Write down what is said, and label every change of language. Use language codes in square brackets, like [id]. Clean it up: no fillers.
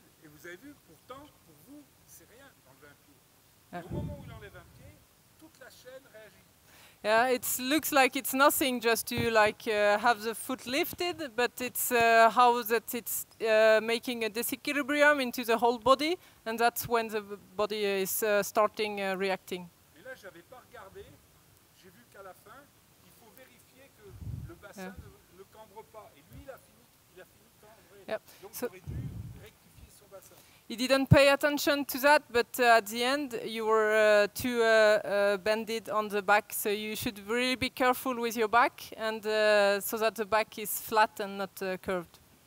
[fr] Et vous avez vu, pourtant, pour vous, c'est rien d'enlever un pied. Au moment où il enlève un pied, toute la chaîne réagit. [en] Yeah, it looks like it's nothing just to like have the foot lifted, but it's how that it's making a disequilibrium into the whole body, and that's when the body is starting reacting. [fr] Mais là, j'avais pas regardé. J'ai vu qu'à la fin, il faut vérifier que le bassin ne cambre pas. Et lui, il a fini de cambrer. [en] Yep. [fr] Donc, so j'aurais dû rectifier son bassin. [en] He didn't pay attention to that, but at the end you were too bended on the back, so you should really be careful with your back, and so that the back is flat and not curved.